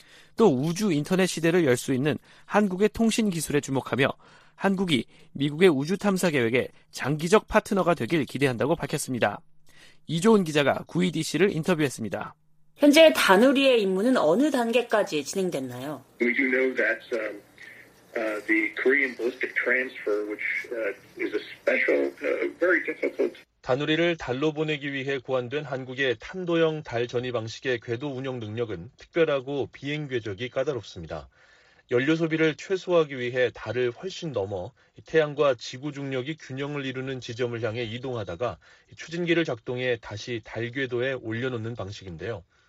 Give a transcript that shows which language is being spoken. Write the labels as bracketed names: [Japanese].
[Korean] 또 우주 인터넷 시대를 열 수 있는 한국의 통신 기술에 주목하며 한국이 미국의 우주 탐사 계획에 장기적 파트너가 되길 기대한다고 밝혔습니다. 이조은 기자가 구이디 씨를 인터뷰했습니다. 현재 다누리의 임무는 어느 단계까지 진행됐나요? [English] We do know that the Korean ballistic transfer, which is a special, very difficult. [Korean] 다누리를 달로 보내기 위해 고안된 한국의 탄도형 달 전이 방식의 궤도 운용 능력은 특별하고 비행 궤적이 까다롭습니다. 연료 소비를 최소화하기 위해 달을 훨씬 넘어 태양과 지구 중력이 균형을 이루는 지점을 향해 이동하다가 추진기를 작동해 다시 달 궤도에 올려놓는 방식인데요.